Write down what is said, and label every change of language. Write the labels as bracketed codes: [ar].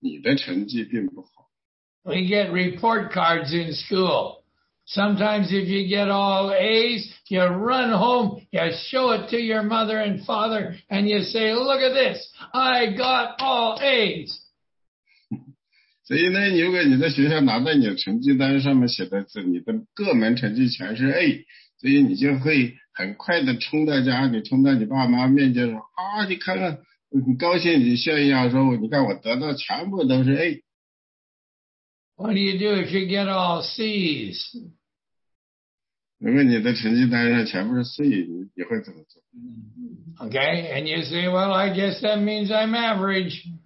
[zh] 因为有时候呢，你并不喜欢那些发奖的日子，因为在发奖的日子，你的成绩并不好。 [en] We get report cards in school. Sometimes if you get all A's, you run home, you show it to your mother and father, and you say, "Look at this, I got all A's." [zh] 所以呢，如果你在学校拿到你的成绩单，上面写的字，你的各门成绩全是 A。所以你就会很快的冲到家里，冲到你爸妈面前说啊，你看看，很高兴，你炫耀说，你看我得到全部都是 A。 [en] What do you do if you get all C's? [zh] 如果你的成绩单上全部是 C， 你会怎么做 [en] ？Okay, and you say, well, I guess that means I'm average.